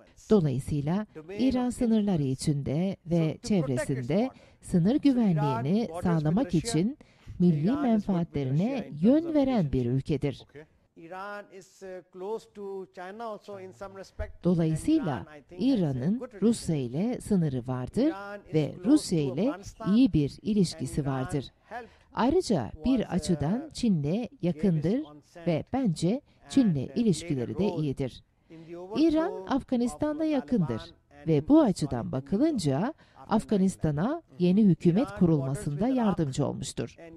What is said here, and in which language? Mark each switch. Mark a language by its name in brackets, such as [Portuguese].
[Turkish] Dolayısıyla İran sınırları içinde ve çevresinde sınır güvenliğini sağlamak için milli menfaatlerine yön veren bir ülkedir. [English] İran is close to China also in some respect. [Turkish] Dolayısıyla İran'ın Rusya ile sınırı vardır ve Rusya ile iyi bir ilişkisi vardır. Ayrıca bir açıdan Çin'le yakındır ve bence Çin'le ilişkileri de iyidir. İran Afganistan'la yakındır ve bu açıdan bakılınca Afganistan'a yeni hükümet kurulmasında yardımcı olmuştur.